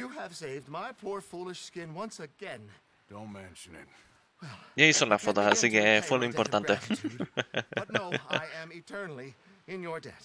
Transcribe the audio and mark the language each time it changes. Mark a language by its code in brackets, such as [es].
[en] You have saved my poor foolish skin once again. Don't mention it. [es] Ya hizo las fotos, así que fue lo importante. [en] But no, I am eternally in your debt.